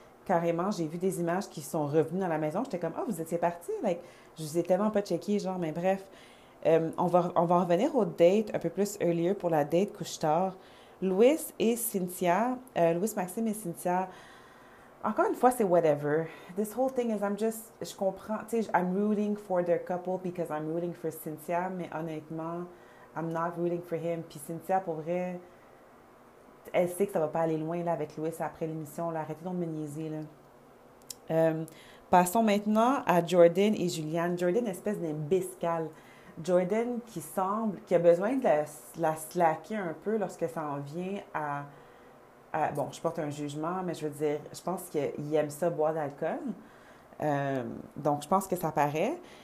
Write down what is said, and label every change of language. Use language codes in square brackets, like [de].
[fr] Carrément, j'ai vu des images qui sont revenues dans la maison. J'étais comme, oh, vous étiez partis. Like, je vous ai tellement pas checké, genre, mais bref. On va revenir au date un peu plus earlier pour la date couche-tard. Louis et Cynthia, Louis Maxime et Cynthia, encore une fois, c'est whatever. [en] This whole thing is, [fr] je comprends, tu sais, [en] I'm rooting for their couple because I'm rooting for Cynthia, [fr] mais honnêtement, [en] I'm not rooting for him. [fr] Puis Cynthia, pour vrai, elle sait que ça va pas aller loin là, avec Louis après l'émission. Arrêtez donc de me niaiser, là. Passons maintenant à Jordan et Julianne. Jordan, espèce d'imbécile. Jordan qui a besoin de la slacker un peu lorsque ça en vient à bon, je porte un jugement, mais je veux dire, je pense qu'il aime ça boire d'alcool. Donc, je pense que ça paraît.